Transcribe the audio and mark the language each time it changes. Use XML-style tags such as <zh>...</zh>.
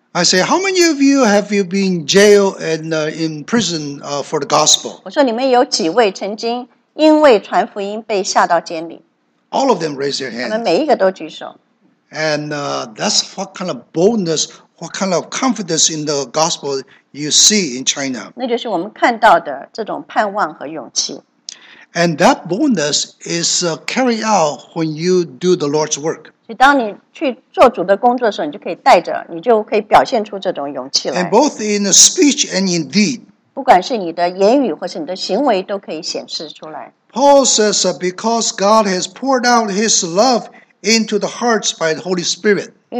<en>I say, how many of you have you been jailed and in prison for the gospel?</en> <zh>我说你们有几位曾经因为传福音被下到监里?</zh> <en>All of them raise their hand.</en> <zh>他们每一个都举手。</zh> <en>And that's what kind of boldness, what kind of confidence in the gospel you see in China.</en> <zh>那就是我们看到的这种盼望和勇气。</zh> <en>And that boldness is carried out when you do the Lord's work.</en> <zh>当你去做主的工作的时候，你就可以带着，你就可以表现出这种勇气来。</zh> <en>And both in speech and in deed.</en> <zh>不管是你的言语或是你的行为都可以显示出来。</zh> <en>Paul says, because God has poured out his love into the hearts by the Holy Spirit.</en>